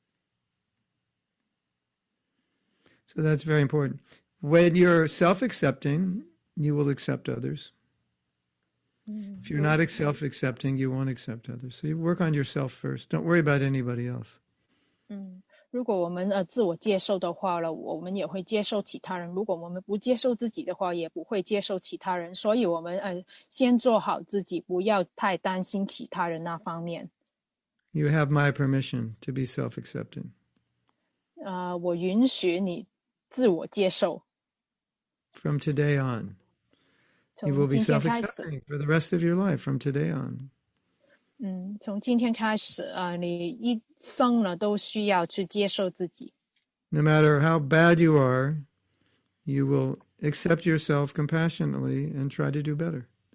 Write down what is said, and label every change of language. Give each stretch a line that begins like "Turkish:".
Chinese: 你知道为什么你会批评其他人吗？因为你常在批评自己。如果我们有批评自己的倾向的话呢，也会有批评他人的倾向。
English: So that's very important. When you're self-accepting, you will accept others. If you're not self-accepting, you won't accept others. So you work on yourself first. Don't worry about anybody else.
Chinese: 如果我们自我接受的话了，我们也会接受其他人。如果我们不接受自己的话，也不会接受其他人。所以，我们先做好自己，不要太担心其他人那方面。
English: You have my permission to be self-accepting.
Chinese: 我允许你自我接受。
English: From today on, you will be self-accepting for the rest of your life. From today on.
Chinese: 从今天开始，你一生呢都需要去接受自己。
English: No matter how bad you are, you will accept yourself compassionately and try to do better.